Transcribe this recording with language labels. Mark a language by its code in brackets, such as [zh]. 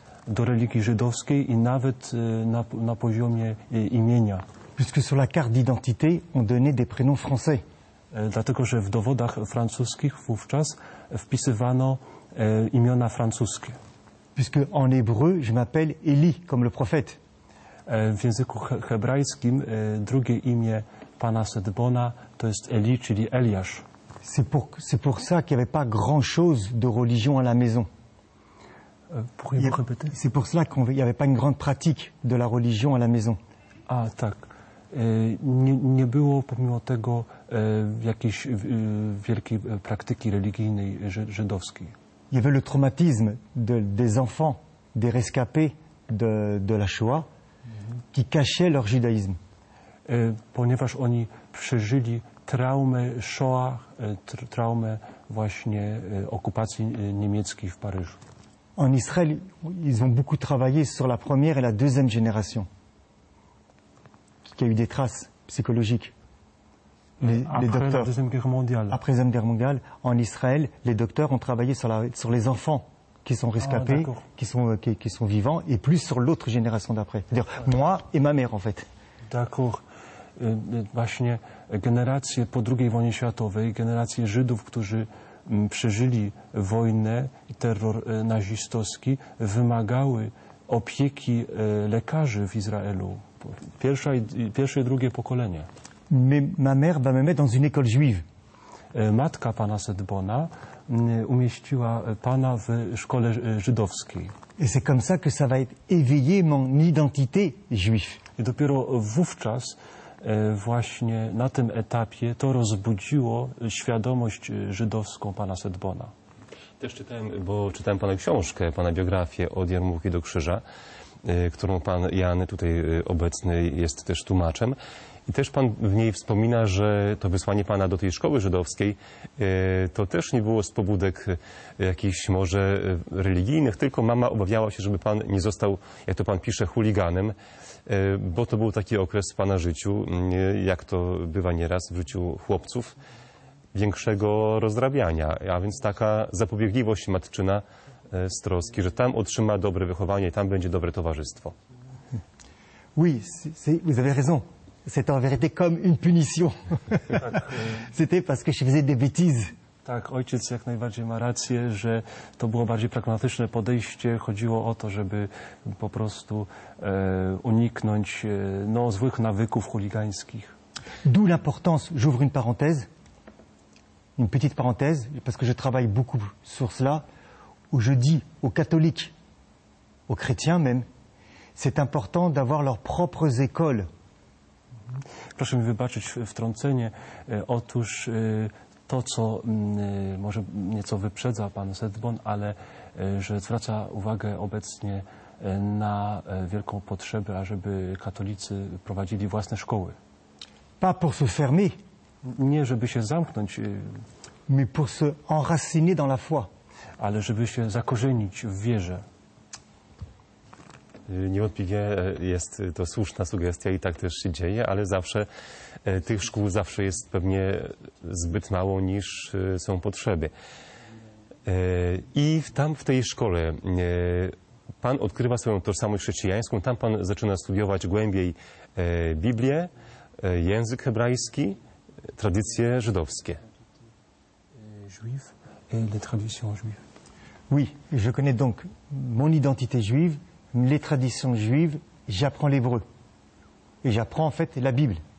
[pl] do religii żydowskiej i nawet na poziomie imienia. [fr] Puisque sur la carte d'identité, on donnait des prénoms français. [pl] Dlatego, że w dowodach francuskich wówczas wpisywano imiona francuskie. [fr] Puisque en hébreu, je m'appelle Élie, comme le prophète. [pl] W języku hebrajskim drugie imię pana Sedbona to jest Eli, czyli Eliasz. [fr] C'est pour ça qu'il n'y avait pas grand-chose de religion à la maison. Pourriez-vous répéter? C'est pour cela qu'il n'y avait pas une grande pratique de la religion à la maison. [pl] Ah, tak. Nie było pomimo tego jakiejś wielkiej praktyki religijnej żydowskiej. [fr] Il y avait le traumatisme des enfants, des rescapés de la Shoah, qui cachaient leur judaïsme. [pl] Ponieważ oni przeżyli traumę Shoah, traumę właśnie okupacji niemieckiej w Paryżu. [fr] En Israël, ils ont beaucoup travaillé sur la première et la deuxième génération. Qu'il y a eu des traces psychologiques. Les docteurs. Après la Deuxième Guerre mondiale. Après la Deuxième Guerre mondiale, en Israël, les docteurs ont travaillé sur les enfants qui sont rescapés, qui sont vivants, et plus sur l'autre génération d'après. C'est-à-dire moi et ma mère, en fait. D'accord. [pl] Właśnie generacje po II wojnie światowej, generacje Żydów, którzy przeżyli wojnę i terror nazistowski, wymagały opieki lekarzy w Izraelu. Pierwsze i drugie pokolenie. [fr] Ma mère va me mettre dans une école juive. [pl] Matka pana Sedbona umieściła pana w szkole żydowskiej. [fr] Et c'est comme ça que ça va éveiller mon identité juif. [pl] I dopiero wówczas właśnie na tym etapie to rozbudziło świadomość żydowską pana Sedbona. Też czytałem pana książkę, pana biografię Od Jarmułki do Krzyża, którą pan Jan, tutaj obecny, jest też tłumaczem. I też pan w niej wspomina, że to wysłanie pana do tej szkoły żydowskiej to też nie było z pobudek jakichś może religijnych, tylko mama obawiała się, żeby pan nie został, jak to pan pisze, chuliganem, bo to był taki okres w pana życiu, jak to bywa nieraz w życiu chłopców, większego rozdrabiania, a więc taka zapobiegliwość matczyna z troski, że tam otrzyma dobre wychowanie i tam będzie dobre towarzystwo. [fr] Oui, vous avez raison. C'est en vérité comme une punition. C'était parce que je faisais des bêtises. [pl] Tak, ojciec jak najbardziej ma rację, że to było bardziej pragmatyczne podejście. Chodziło o to, żeby po prostu uniknąć złych nawyków chuligańskich. [fr] D'où l'importance, j'ouvre une parenthèse, une petite parenthèse, parce que je travaille beaucoup sur cela, où je dis aux catholiques, aux chrétiens même, c'est important d'avoir leurs propres écoles. [pl] Proszę mi wybaczyć wtrącenie. Otóż to, co może nieco wyprzedza pan Sedbon, ale że zwraca uwagę obecnie na wielką potrzebę, ażeby katolicy prowadzili własne szkoły. [fr] Pas pour se fermer. [pl] Nie, żeby się zamknąć. [fr] Mais pour se enraciner dans la foi. [pl] Ale żeby się zakorzenić w wierze. Niewątpliwie jest to słuszna sugestia i tak też się dzieje, ale zawsze tych szkół zawsze jest pewnie zbyt mało niż są potrzeby. I tam w tej szkole pan odkrywa swoją tożsamość chrześcijańską, tam pan zaczyna studiować głębiej Biblię, język hebrajski, tradycje żydowskie. [fr] Juif et les traditions juives. Oui, je connais donc mon identité juive. Les traditions juives, j'apprends l'hébreu. Et j'apprends en fait la Bible.